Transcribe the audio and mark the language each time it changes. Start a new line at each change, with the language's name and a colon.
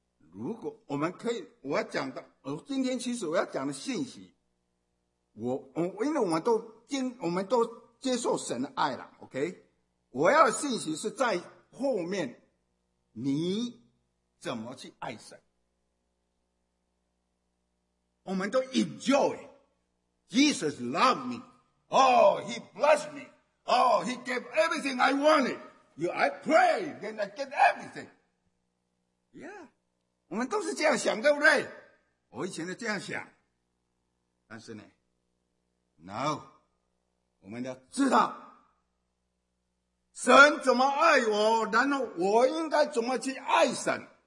Chinese: 如果我们可以，我要讲的，我今天其实我要讲的信息，我因为我们都接受神的爱了 ，OK？我要的信息是在后面，你怎么去爱神？我们都
English: enjoy Jesus loved me, oh He blessed me, oh He gave everything I wanted. You, I pray, then I get everything. Yeah.
Chinese: 我们都是这样想，对不对？我以前就这样想，但是呢 ，No， 我们要知道神怎么爱我，然后我应该怎么去爱神。